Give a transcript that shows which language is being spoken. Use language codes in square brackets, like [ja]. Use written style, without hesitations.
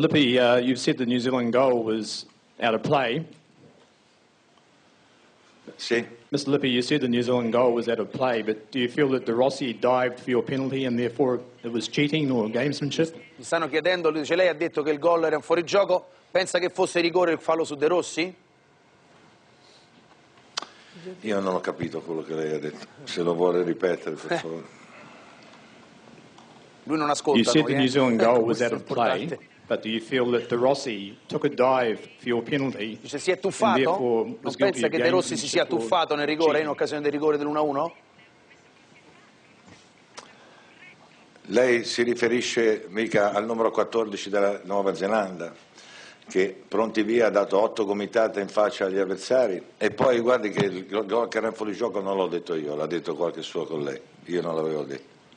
[en] Lippi, you've said the New Zealand goal was out of play. [it] Sì. [en] Mr. Lippi, you said the New Zealand goal was out of play, but do you feel that De Rossi dived for your penalty and therefore it was cheating or gamesmanship? [it] Mi stanno chiedendo, lui dice, lei ha detto che il gol era un fuorigioco, pensa che fosse rigore il fallo su De Rossi? Io non ho capito quello che lei ha detto, se lo vuole ripetere, per favore. Lui non ascolta. [en] You said the New Zealand goal was out of play, but do you feel that De Rossi took a dive for your penalty? [it] Dice, si è tuffato? Non pensa che De Rossi si sia tuffato nel rigore, in occasione del rigore dell'1-1? Lei si riferisce mica al numero 14 della Nuova Zelanda, che pronti via ha dato 8 gomitate in faccia agli avversari, e poi guardi che il gol che era in fuorigioco non l'ho detto io, l'ha detto qualche suo collega, io non l'avevo detto.